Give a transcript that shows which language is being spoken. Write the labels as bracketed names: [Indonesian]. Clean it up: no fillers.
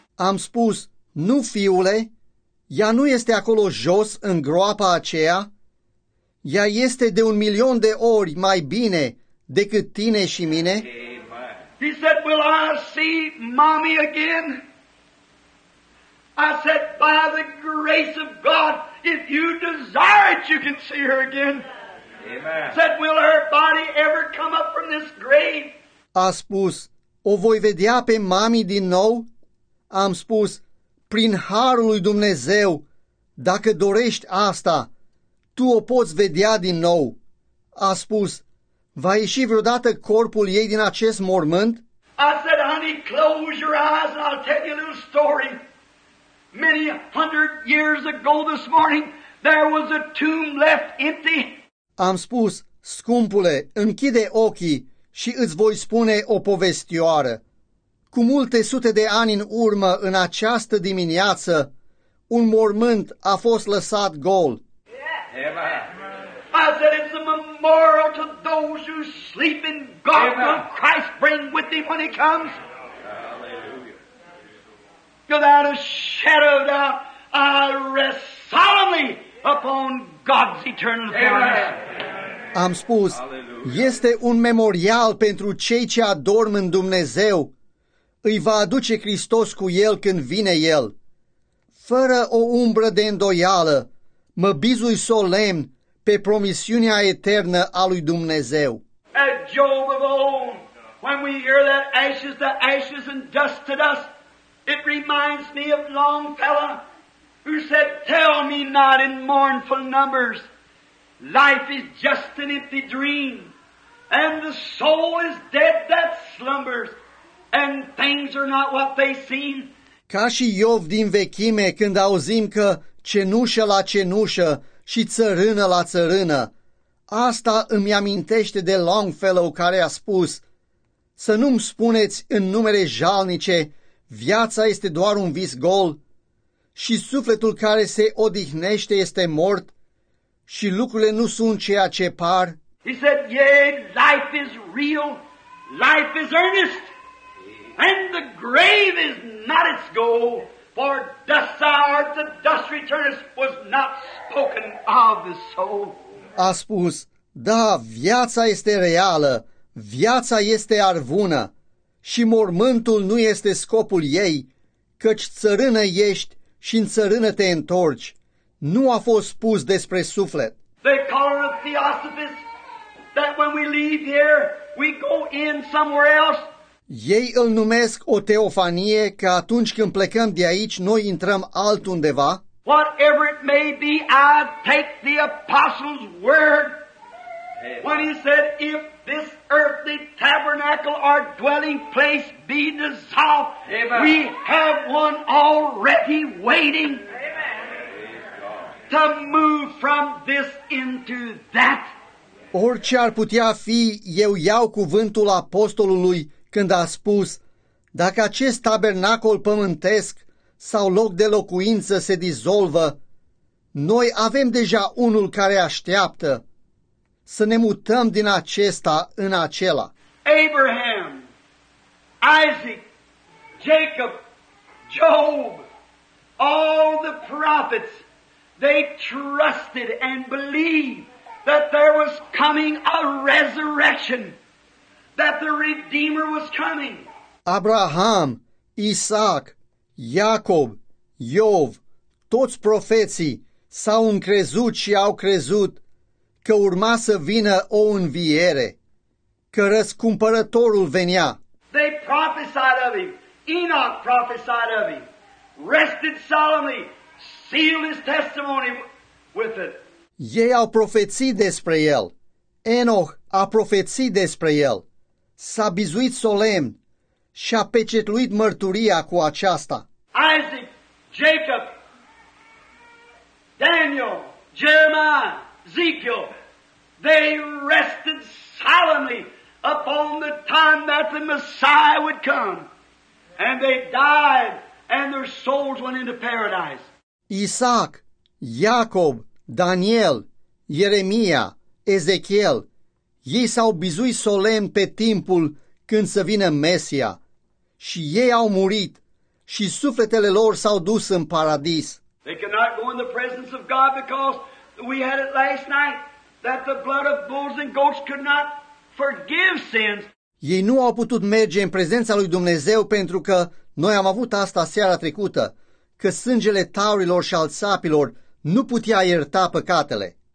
[Romanian] Am spus, "Nu, fiule, ea nu este acolo jos în groapa aceea. Ea este de un milion de ori mai bine decât tine și mine." [English] Amen. He said, will I see Mommy again? I said, by the grace of God, if you desire it, you can see her again. Amen. Said, will her body ever come up from this grave? [Romanian] A spus, o voi vedea pe Mami din nou? Am spus, prin harul lui Dumnezeu, dacă dorești asta, tu o poți vedea din nou. A spus, va ieși vreodată corpul ei din acest mormânt? [English] I said, honey, close your eyes and I'll tell you a little story. Many hundred years ago this morning, there was a tomb left empty. [Romanian] Am spus, scumpule, închide ochii și îți voi spune o povestioară. Cu multe sute de ani în urmă, în această dimineață, un mormânt a fost lăsat gol. [English] I said, it's a memorial to those who sleep in God will Christ bring with him when he comes. Without a shadow of doubt, I rest solemnly upon God's eternal promise. [Romanian] Am spus, este un memorial pentru cei ce adorm în Dumnezeu. Îi va aduce Hristos cu el când vine el. Fără o umbră de îndoială, mă bizui solemn pe promisiunea eternă a lui Dumnezeu. [English] At Job of old, when we hear that ashes to ashes and dust to dust, it reminds me of Longfellow, who said, tell me not in mournful numbers, life is just an empty dream, and the soul is dead that slumbers, and things are not what they seem. [Romanian] Ca și Iov din vechime, când auzim că cenușă la cenușă și țărână la țărână, asta îmi amintește de Longfellow care a spus, să nu-mi spuneți în numere jalnice, viața este doar un vis gol și sufletul care se odihnește este mort și lucrurile nu sunt ceea ce par. [English] He said, yea, life is real, life is earnest, and the grave is not its goal, for dust thou art, the dust returnest, was not spoken of the soul. [Romanian] A spus, da, viața este reală, viața este arvună, și mormântul nu este scopul ei, căci țărână ești și în țărână te întorci. Nu a fost spus despre suflet. [English] They call it a theosophist, that when we leave here, we go in somewhere else. [Romanian] Ei îl numesc o teofanie, că atunci când plecăm de aici, noi intrăm altundeva. [English] Whatever it may be, I take the apostle's word. When he said, if this earthly tabernacle or dwelling place be dissolved, amen, we have one already waiting, amen, to move from this into that. [Romanian] Orice ar putea fi, eu iau cuvântul apostolului când a spus, dacă acest tabernacol pământesc sau loc de locuință se dizolvă, noi avem deja unul care așteaptă. Să ne mutăm din acesta în acela. [English] Abraham, Isaac, Jacob, Job, all the prophets, they trusted and believed that there was coming a resurrection, that the Redeemer was coming. [Romanian] Abraham, Isaac, Iacob, Iov, toți profeții s-au încrezut și au crezut că urma să vină o înviere, că răscumpărătorul venea. [English] They prophesied of him. Enoch prophesied of him. Rested solemnly. Sealed his testimony with it. [Romanian] Ei au profețit despre el. Enoch a profețit despre el. S-a bizuit solemn și a pecetluit mărturia cu aceasta. [English] Isaac, Jacob, Daniel, Jeremiah, Ezekiel, they rested solemnly upon the time that the Messiah would come. And they died, and their souls went into paradise. [Romanian] Isaac, Iacob, Daniel, Ieremia, Ezechiel, ei s-au bizuit solemn pe timpul când să vină Mesia. Și ei au murit, și sufletele lor s-au dus în paradis. [English] They cannot go in the presence of God because we had it last night, that the blood of bulls and goats could not forgive sins. [Romanian] Ei nu au putut merge în prezența lui Dumnezeu pentru că noi am avut asta seara trecută, că sângele taurilor și al țapilor nu putea ierta păcatele.